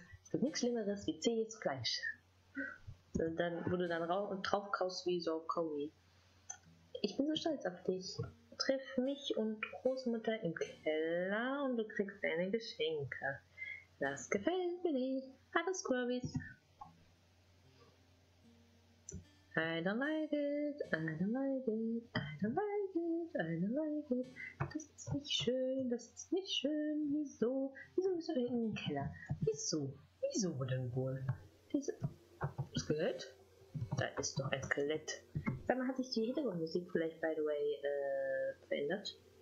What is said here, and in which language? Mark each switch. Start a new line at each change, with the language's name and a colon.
German: Es gibt nichts Schlimmeres wie zähes Fleisch. Dann wurde dann rauch und drauf kaust wie so Kaugummi. Ich bin so stolz auf dich. Triff mich und Großmutter im Keller und du kriegst deine Geschenke. Das gefällt mir nicht. Hallo Squirbys.
English: I don't like it, I don't like it, I don't like it, I don't like it.
German: Das ist nicht schön, das ist nicht schön. Wieso? Wieso bist du denn in den Keller? Wieso? Wieso denn wohl? Diese Skelett? Da ist doch ein Skelett. Sag mal, hat sich die Hintergrundmusik vielleicht,
English: by the way,
German: verändert?